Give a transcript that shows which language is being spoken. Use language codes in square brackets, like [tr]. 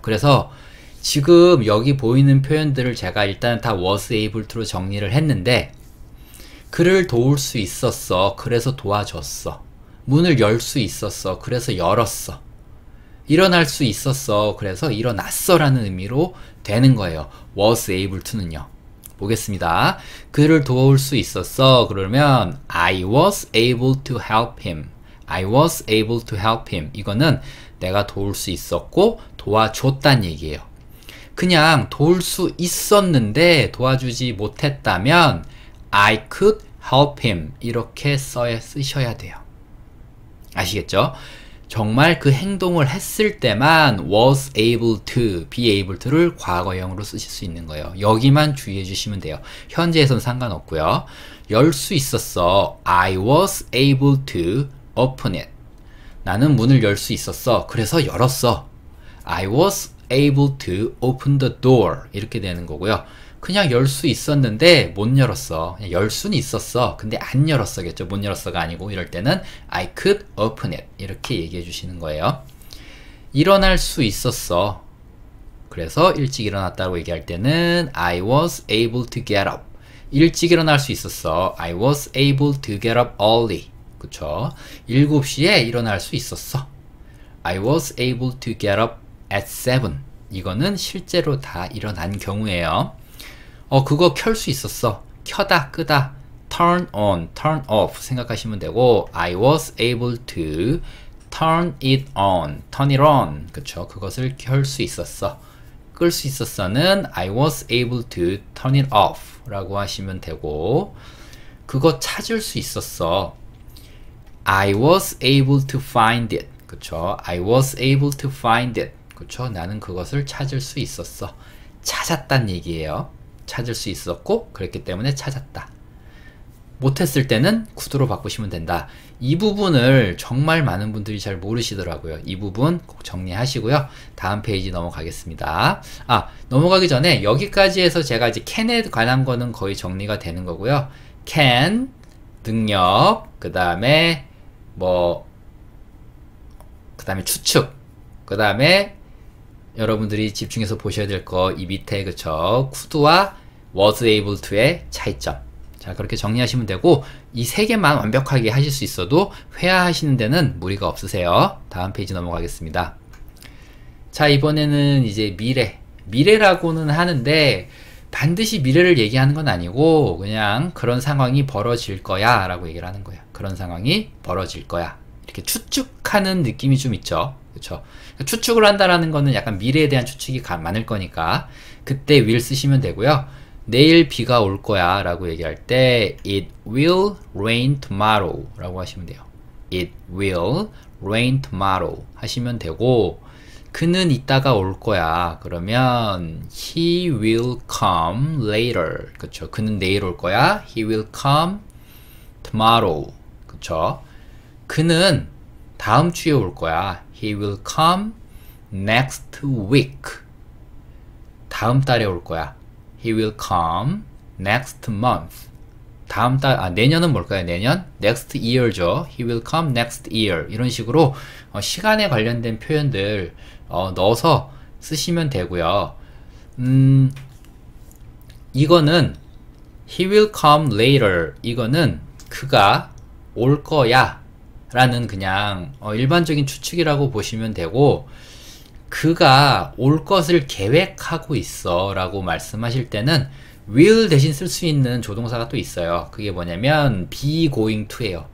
[ko] 그래서 지금 여기 보이는 표현들을 제가 일단 다 was able to로 정리를 했는데 그를 도울 수 있었어. 그래서 도와줬어. 문을 열 수 있었어. 그래서 열었어. 일어날 수 있었어. 그래서 일어났어 라는 의미로 되는 거예요. was able to는요. 보겠습니다. 그를 도울 수 있었어. [en] 그러면 I was able to help him. I was able to help him. [ko] 이거는 내가 도울 수 있었고 도와줬단 얘기예요. 그냥 도울 수 있었는데 도와주지 못했다면 [en] I could help him. [ko] 이렇게 쓰셔야 돼요. 아시겠죠? 정말 그 행동을 했을 때만 was able to, be able to를 과거형으로 쓰실 수 있는 거예요. 여기만 주의해 주시면 돼요. 현재에선 상관없고요. 열 수 있었어. [en] I was able to open it. [ko] 나는 문을 열 수 있었어. 그래서 열었어. [en] I was able to open the door. [ko] 이렇게 되는 거고요. 그냥 열 수 있었는데 못 열었어. 열 수는 있었어. 근데 안 열었어겠죠. 못 열었어가 아니고 이럴 때는 [en] I could open it. [ko] 이렇게 얘기해 주시는 거예요. 일어날 수 있었어. 그래서 일찍 일어났다고 얘기할 때는 [en] I was able to get up. [ko] 일찍 일어날 수 있었어. [en] I was able to get up early. [ko] 그렇죠? 7시에 일어날 수 있었어. [en] I was able to get up at 7. [ko] 이거는 실제로 다 일어난 경우예요. 그거 켤 수 있었어. 켜다 끄다. [en] turn on, turn off [ko] 생각하시면 되고 [en] I was able to turn it on, turn it on. [ko] 그쵸? 그것을 켤 수 있었어. 끌 수 있었어는 [en] I was able to turn it off [ko] 라고 하시면 되고 그거 찾을 수 있었어. [en] I was able to find it. 그쵸? I was able to find it. 그쵸? [ko] 나는 그것을 찾을 수 있었어. 찾았단 얘기예요. 찾을 수 있었고, 그랬기 때문에 찾았다. 못했을 때는 could로 바꾸시면 된다. 이 부분을 정말 많은 분들이 잘 모르시더라고요. 이 부분 꼭 정리하시고요. 다음 페이지 넘어가겠습니다. 아, 넘어가기 전에 여기까지 해서 제가 이제 can에 관한 거는 거의 정리가 되는 거고요. can, 능력, 그 다음에 뭐, 그 다음에 추측, 그 다음에 여러분들이 집중해서 보셔야 될 거, 이 밑에, 그쵸? could와 was able to의 차이점. 자, 그렇게 정리하시면 되고, 이세 개만 완벽하게 하실 수 있어도 회화하시는 데는 무리가 없으세요. 다음 페이지 넘어가겠습니다. 자, 이번에는 이제 미래. 미래라고는 하는데, 반드시 미래를 얘기하는 건 아니고, 그냥 그런 상황이 벌어질 거야, 라고 얘기를 하는 거야. 그런 상황이 벌어질 거야. 이렇게 추측하는 느낌이 좀 있죠. 그쵸? 추측을 한다라는 거는 약간 미래에 대한 추측이 많을 거니까, 그때 will 쓰시면 되고요. 내일 비가 올 거야 라고 얘기할 때 [en] It will rain tomorrow [ko] 라고 하시면 돼요. [en] It will rain tomorrow [ko] 하시면 되고 그는 이따가 올 거야. 그러면 [en] He will come later. [ko] 그쵸? 그는 내일 올 거야. [en] He will come tomorrow. [ko] 그쵸? 그는 다음 주에 올 거야. [en] He will come next week. [ko] 다음 달에 올 거야. [en] He will come next month. [ko] 다음 달, 아, 내년은 뭘까요? 내년? [en] Next year죠. He will come next year. [ko] 이런 식으로 시간에 관련된 표현들 넣어서 쓰시면 되고요. 이거는 [en] He will come later. [ko] 이거는 그가 올 거야 라는 그냥 일반적인 추측이라고 보시면 되고 그가 올 것을 계획하고 있어 라고 말씀하실 때는 will 대신 쓸수 있는 조동사가 또 있어요. 그게 뭐냐면 be going to예요.